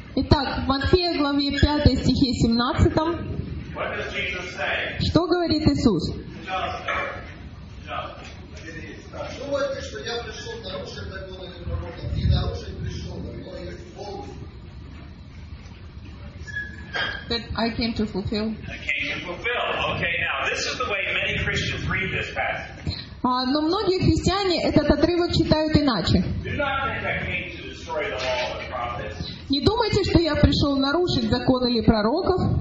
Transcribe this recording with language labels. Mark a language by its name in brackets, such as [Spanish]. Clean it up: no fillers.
[Russian] Итак, в Матфея, главе 5, стихе 17. Что говорит Иисус? Думаете, что я пришел нарушить законы пророков? Не нарушить пришел, но я есть Бог. [English] I came to fulfill. Okay, now, this is the way many Christians read this passage. [Russian] Но многие христиане этот отрывок читают иначе. Не думайте, что я пришел нарушить закон или пророков.